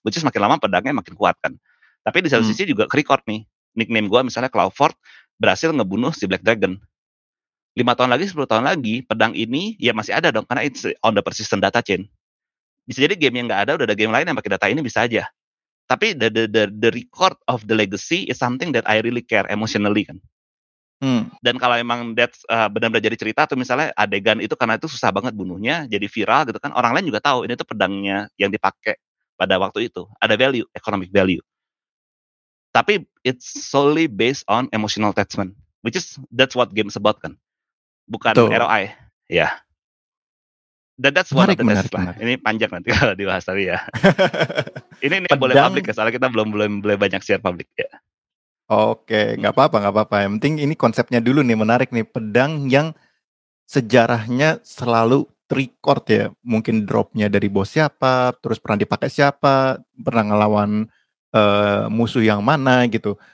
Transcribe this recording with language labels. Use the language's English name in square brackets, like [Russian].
[English] Which is [Indonesian] makin lama pedangnya makin kuat kan. Tapi di satu sisi juga ke-record nih. Nickname gue misalnya Clawford berhasil ngebunuh si Black Dragon. 5 tahun lagi, 10 tahun lagi, pedang ini ya masih ada dong, karena [English] it's on the persistent data chain. [Indonesian] Bisa jadi game yang gak ada, udah ada game lain yang pakai data ini, bisa aja. [English] Tapi the record of the legacy is something that I really care emotionally kan. [Indonesian] Dan kalau emang that's benar-benar jadi cerita, atau misalnya adegan itu karena itu susah banget bunuhnya, jadi viral gitu kan, orang lain juga tahu ini tuh pedangnya yang dipakai pada waktu itu, ada value, economic value. [English] Tapi it's solely based on emotional attachment, which is that's what game's about kan, [Indonesian] bukan tuh. [English] ROI. Yeah. Dan that's one of the tests lah. [Indonesian] Ini panjang nanti kalau dibahas tapi ya. ini boleh publik ya, soalnya kita belum banyak share publik ya. Oke, nggak apa-apa. Yang penting ini konsepnya dulu nih, menarik nih. Pedang yang sejarahnya selalu record ya. Mungkin dropnya dari bos siapa, terus pernah dipakai siapa, pernah ngelawan musuh yang mana gitu.